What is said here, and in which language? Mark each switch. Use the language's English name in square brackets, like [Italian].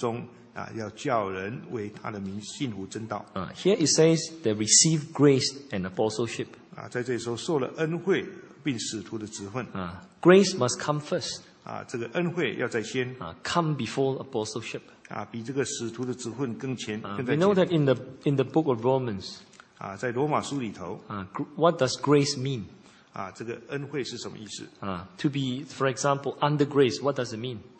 [Chinese] 说我们从他受了恩惠，并使徒的职分，在万国之中，要叫人为他的名信服真道。 [English] Here it says they received grace and apostleship. [Chinese] 在这里说受了恩惠，并使徒的职分。 [English] Grace must come first. [Chinese] 这个恩惠要在先。 [English] Come before apostleship. [Chinese] 比这个使徒的职分更前。 [English] We know that in the book of Romans. [Chinese] 在罗马书里头。 [English] What does grace mean? [Chinese] 这个恩惠是什么意思？ [English] To be, for example, under grace, what does it mean?